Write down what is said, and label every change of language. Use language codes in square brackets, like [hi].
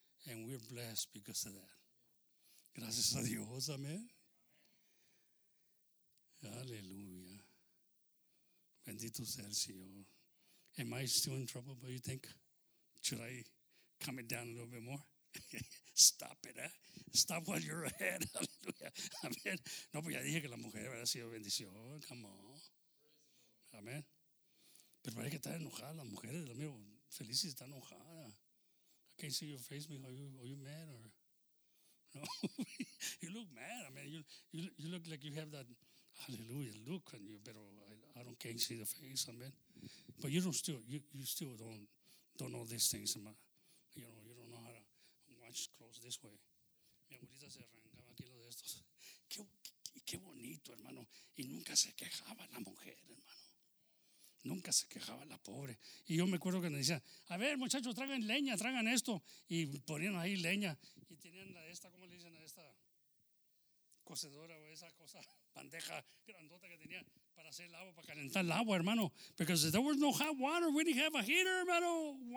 [en] And we're blessed because of that. [es] Gracias a Dios, amén. Aleluya. Bendito sea el Señor. [en] Am I still in trouble, what do you think? Should I calm it down a little bit more? Stop it, eh? Stop while you're ahead. Aleluya. Amén. [es] No, pues ya dije que la mujer ha sido bendición. [en] Come on. [es] Amén. Pero parece que está enojada la mujer. La mía, Felicia está enojada. [en] I can't see your face, mijo. Are you mad or... No. You look mad. I mean, you look like you have that hallelujah look on you, but I can't see the face. Amen. But you still don't know these things. You know, you don't know how to watch clothes this way. [es] Mi abuelita se arrancaba aquí lo de estos. Qué bonito, hermano. Y nunca se quejaba la mujer, hermano. Nunca se quejaba la pobre. Y yo me acuerdo que me decía, a ver, muchachos, traigan leña, traigan esto. Y ponían ahí leña. Y tenían la de esta, ¿cómo le dicen a esta? Cocedora o esa cosa, bandeja grandota que tenía para hacer el agua, para calentar el agua, hermano. [en] Because if there was no hot water, we didn't have a heater, hermano.